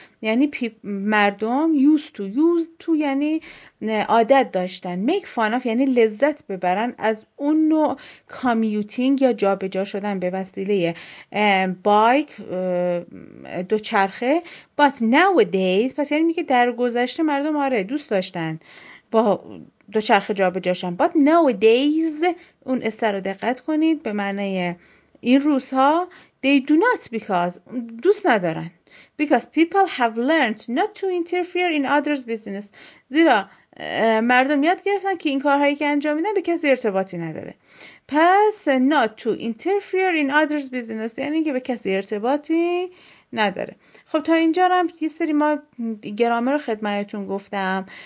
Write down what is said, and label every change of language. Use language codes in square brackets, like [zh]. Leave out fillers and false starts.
[fa] یعنی مردم [en] used to [fa] یعنی عادت داشتن، [en] make fun of [fa] یعنی لذت ببرن از اون نوع کامیوتینگ یا جا به جا شدن به وسیله بایک، دوچرخه. [en] but nowadays، [fa] پس یعنی میگه در گذشته مردم آره دوست داشتن با دوچرخه جا به جا شدن. [en] but nowadays، [fa] اون استر رو دقت کنید، به معنی این روزها، [en] they do not because، [fa] دوست ندارن. [en] Because people have learned not to interfere in others' business. [fa] زیرا مردم یاد گرفتن که این کارهایی که انجام میدن به کسی ارتباطی نداره. پس [en] not to interfere in others' business [fa] یعنی که به کسی ارتباطی نداره. خب تا اینجا هم یه سری ما گرامر رو خدمتتون گفتم.